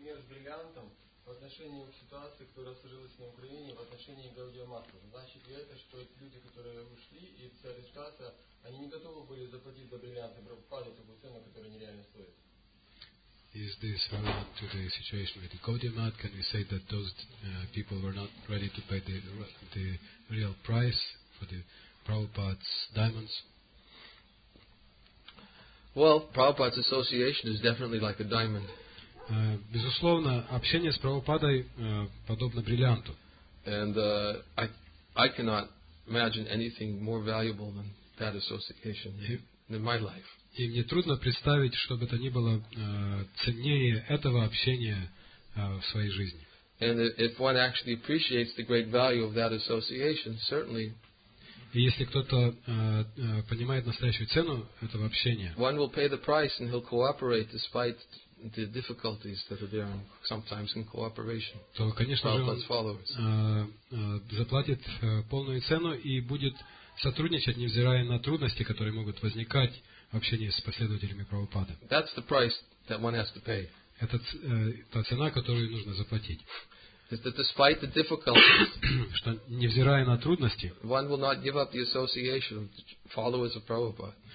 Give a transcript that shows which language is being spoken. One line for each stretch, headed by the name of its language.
Russian: К ситуации, которая сложилась на Украине в отношении Гаудия Матху. Значит ли это, что эти люди, которые ушли, и вся ситуация, они не готовы были заплатить за бриллианты, пропали такую цену, которая нереально стоит?
English: Is this relevant to the situation with the Gaudiya Math? Can we say that those people were not ready to pay the real price for the Prabhupada's diamonds? Well, Prabhupada's association is definitely like a diamond.
Russian: Безусловно, общение с Прабхупадой подобно бриллианту.
English: And I cannot imagine anything more valuable than that association in my life.
Russian: И мне трудно представить, чтобы это ни было ценнее этого общения в своей жизни.
English: And if one actually appreciates the great value of that association, certainly.
Russian: И если кто-то понимает настоящую цену этого общения.
English: One will pay the price and he'll cooperate despite the difficulties that are there sometimes in cooperation.
Russian: То, конечно же, он заплатит полную цену и будет сотрудничать, невзирая на трудности, которые могут возникать в общении с последователями Прабхупады.
English: That's the price that one has to pay.
Russian: Это та цена, которую нужно заплатить.
English: Is that despite the difficulties,
Russian: что невзирая на трудности,
English: one will not give up the association of followers of Prabhupada.